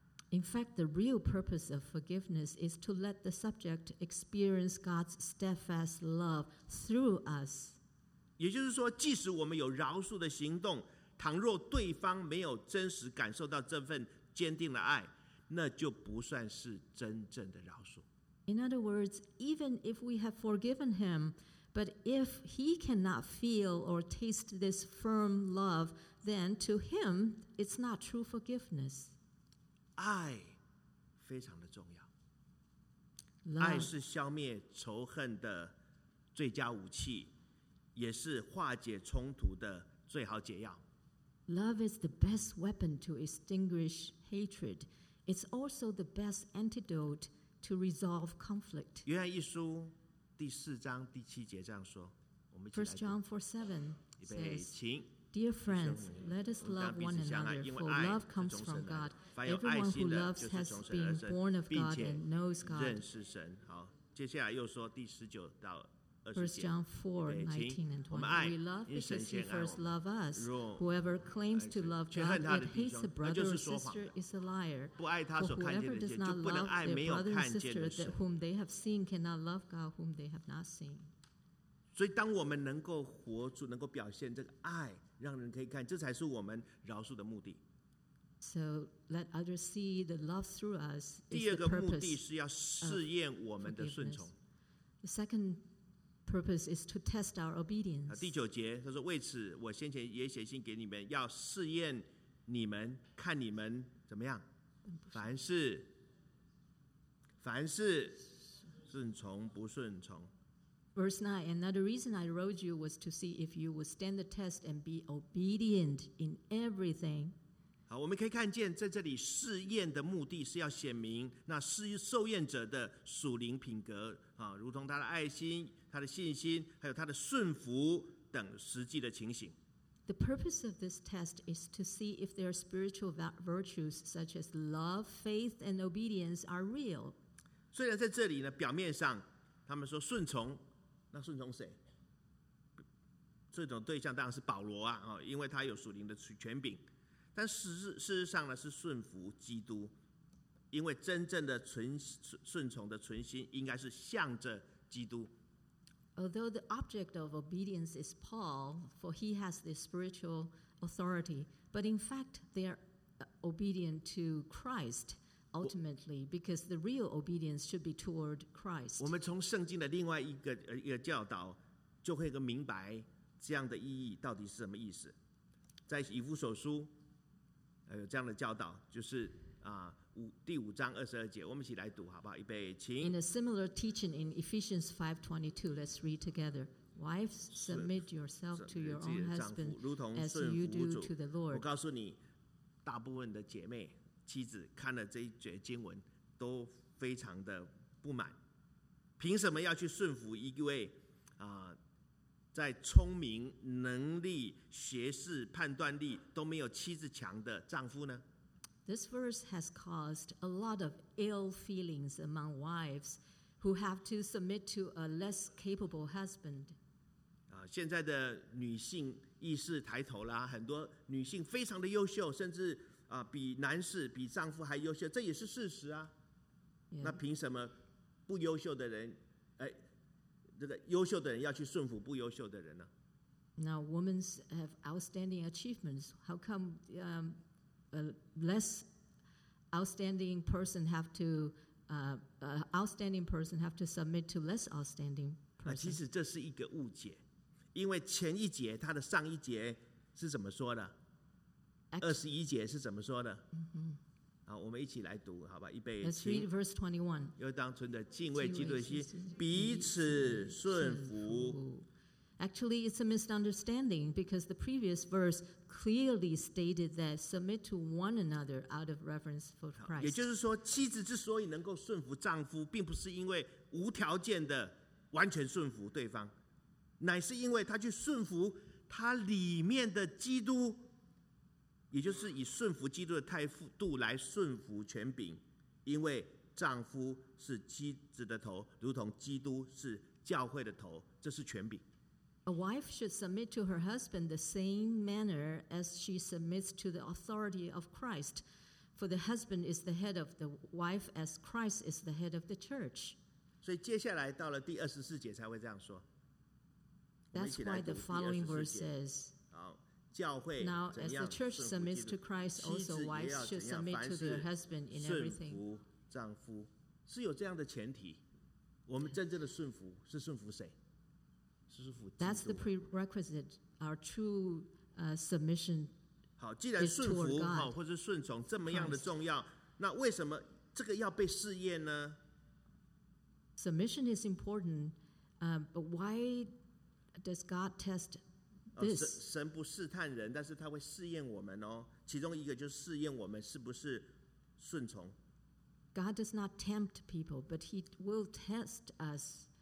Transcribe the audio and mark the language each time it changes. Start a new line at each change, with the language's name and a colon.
English: In fact, the real purpose of forgiveness is to let the subject experience God's steadfast love through us.
Chinese: 也就是说，即使我们有饶恕的行动，倘若对方没有真实感受到这份坚定的爱，那就不算是真正的饶恕。
English: In other words, even if we have forgiven him, but if he cannot feel or taste this firm love, then to him, it's not true forgiveness.
Chinese: 爱非常的重要。
English: Love.
Chinese: 爱是消灭仇恨的最佳武器，也是化解冲突的最好解药。
English: Love is the best weapon to extinguish hatred. It's also the best antidote to resolve conflict.
Chinese: 约翰一书第四章第七节这样说，我们一起来。
English: First John 4:7 says,
Chinese: 请
English: "Dear friends, let us love one another, for love comes from God. Everyone who loves has been born of God and knows God."
Chinese: 认识神。好，接下来又说第十九到。
English: First John 4:19-20. We love because he first loved us. Whoever claims to love God but hates a brother or sister is a liar. But whoever does not love their brother or sister that whom they have seen cannot love God whom they have not seen.
Chinese: 所以当我们能够活出，能够表现这个爱，让人可以看，这才是我们饶恕的目的。
English: So let others see the love through us.
Chinese: 第二个目的是要试验我们的顺从。
English: The second purpose is to test our obedience.
Chinese: 第九节他说，为此我先前也写信给你们，要试验你们，看你们怎么样，凡事顺从不顺从。
English: Verse 9, another reason I wrote you was to see if you would stand the test and be obedient in everything.
Chinese: 好，我们可以看见在这里试验的目的是要显明那受验者的属灵品格，如同他的爱心，他的信心，还有他的顺服等实际的情形。 The purpose of this test is to see if their spiritual virtues, such as love, faith, and obedience, are real. 虽然在这里呢，表面上他们说顺从，那顺从谁？这种对象当然是保罗啊，因为他有属灵的权柄。但事实上呢，是顺服基督，因为真正的顺从的存心，应该是向着基督。
English: Although the object of obedience is Paul, for he has the spiritual authority, but in fact they are obedient to Christ ultimately, because the real obedience should be toward Christ.
Chinese: 我们从圣经的另外一个教导，就会明白这样的意义到底是什么意思。在以弗所书，有这样的教导，就是第五章二十二节，我们一起来读好不好？预备，请。
English: In a similar teaching in Ephesians 5:22, let's read together. Wives, submit yourself to your own husband as you do to the Lord.
Chinese: 我告诉你，大部分的姐妹、妻子看了这一节经文都非常的不满，凭什么要去顺服一位在聪明、能力、学识、判断力都没有妻子强的丈夫呢？
English: This verse has caused a lot of ill feelings among wives who have to submit to a less capable husband.
Chinese: 现在的女性意识抬头啦，很多女性非常的优秀，甚至比男士、比丈夫还优秀，这也是事实啊。
English: Yeah.
Chinese: 那凭什么不优秀的人，这个优秀的人要去顺服不优秀的人呢？
English: Now, women have outstanding achievements. How come a less outstanding person have to outstanding person have to submit to less outstanding person.
Chinese: 其实这是一个误解，因为前一节他的上一节是怎么说的？二十一节是怎么说的？好，我们一起来读，好吧？预备，
English: Let's read verse 21.
Chinese: 又当存着敬畏基督的心，彼此顺服。
English: Actually, it's a misunderstanding because the previous verse clearly stated that submit to one another out of reverence for Christ.
Chinese: 也就是说，妻子之所以能够顺服丈夫，并不是因为无条件的完全顺服对方，乃是因为她去顺服她里面的基督，也就是以顺服基督的态度来顺服权柄，因为丈夫是妻子的头，如同基督是教会的头，这是权柄。
English: A wife should submit to her husband the same manner as she submits to the authority of Christ, for the husband is the head of the wife as Christ is the head of the church.
Chinese: 所以接下来到了第二十四节才会这样说。
English: That's why the following verse says, Now, as the church submits to Christ, also wives should submit to their husband in everything.
Chinese: 顺服丈夫是有这样的前提，我们真正的顺服是顺服谁？
English: That's the prerequisite. Our true submission.
Chinese: 好，既然顺服好，或是顺从这么样的重要，那为什么这个要被试验呢？
English: Submission is important, but why does God test this?
Chinese: 神不试探人，但是他会试验我们哦。其中一个就是试验我们是不是顺从。
English: God does not tempt people, but He will test us.